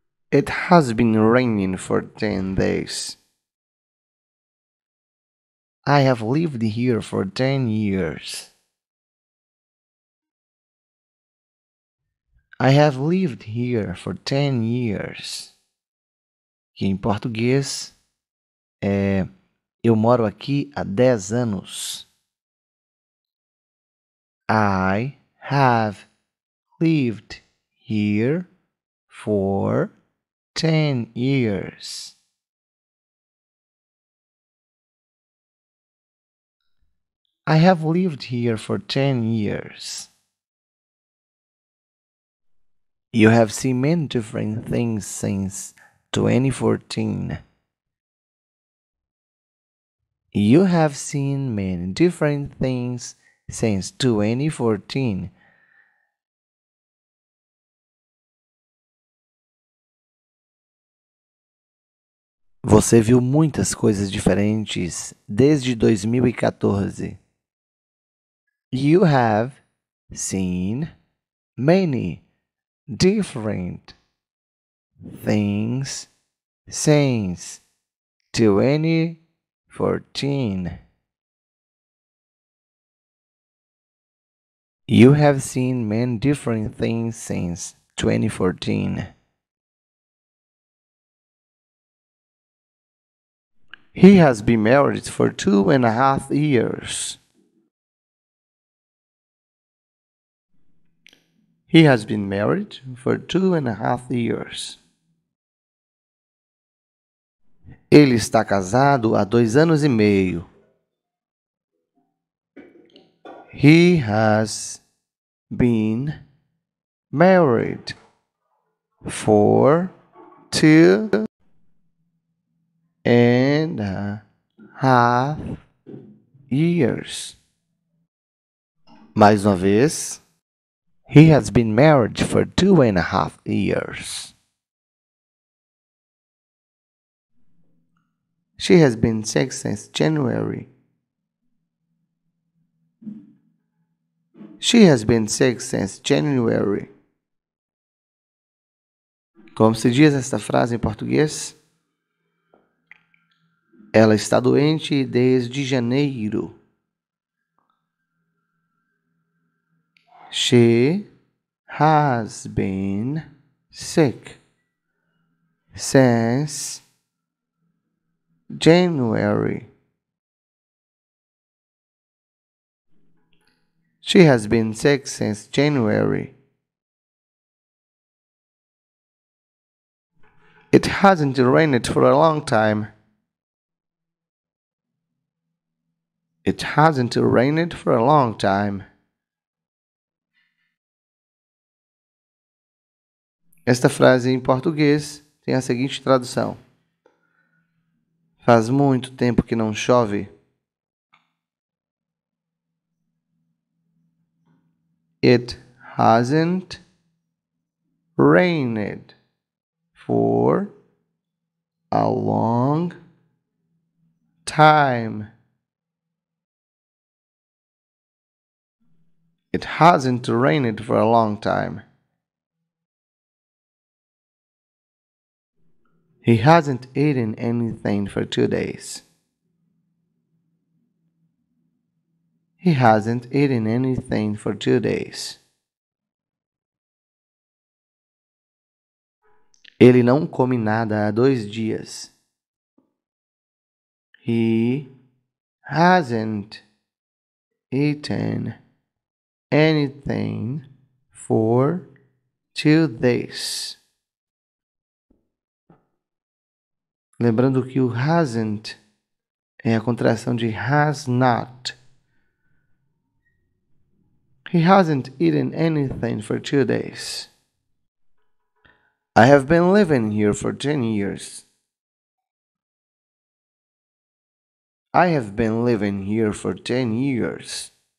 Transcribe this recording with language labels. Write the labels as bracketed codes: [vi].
[en] It has been raining for 10 days. I have lived here for 10 years. I have lived here for 10 years. [pt] Que em português é eu moro aqui há 10 anos. [en] I have lived here for 10 years. I have lived here for 10 years. You have seen many different things since 2014. You have seen many different things since 2014. [pt] Você viu muitas coisas diferentes desde 2014. [en] You have seen many different things since 2014. You have seen many different things since 2014. He has been married for 2.5 years. He has been married for 2.5 years. [pt] Ele está casado há 2 anos e meio. [en] He has been married for 2.5 years. [pt] Mais uma vez. [en] He has been married for 2.5 years. She has been sick since January. She has been sick since January. [pt] Como se diz esta frase em português? Ela está doente desde janeiro. [en] She has been sick since January. She has been sick since January. It hasn't rained for a long time. It hasn't rained for a long time. [pt] Esta frase em português tem a seguinte tradução. Faz muito tempo que não chove. [en] It hasn't rained for a long time. It hasn't rained for a long time. He hasn't eaten anything for 2 days. He hasn't eaten anything for 2 days. [pt] Ele não come nada há 2 dias. [en] He hasn't eaten anything for 2 days. [pt] Lembrando que o hasn't é a contração de has not. [en] He hasn't eaten anything for 2 days. I have been living here for 10 years. I have been living here for 10 years.